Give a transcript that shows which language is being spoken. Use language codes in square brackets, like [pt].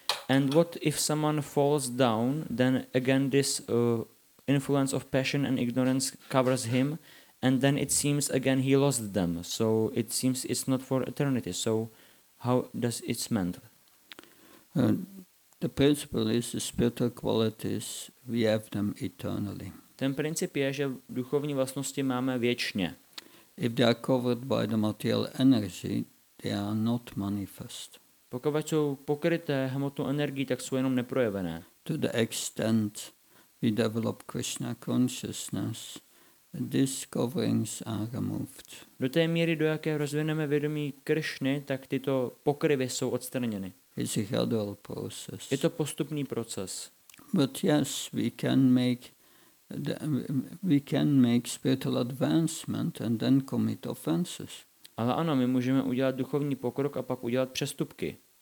[en] And what if someone falls down, then again this influence of passion and ignorance covers him, and then it seems again he lost them. So it seems it's not for eternity. So how does it meant? The principle is the spiritual qualities, we have them eternally. [cs] Ten princip je, že duchovní vlastnosti máme věčně. [en] If they are covered by the material energy, they are not manifest. [cs] Pokud jsou pokryté hmotnou energií, tak jsou jenom neprojevené. [en] To the extent we develop Krishna consciousness, these coverings are removed. [cs] Do té míry, do jaké rozvineme vědomí Krishny, tak tyto pokryvy jsou odstraněny. [en] It's a gradual process. [cs] Je to postupný proces. [en] But yes, we can make spiritual advancement and then commit offenses. [cs] Ale ano, my můžeme udělat duchovní pokrok a pak udělat přestupky.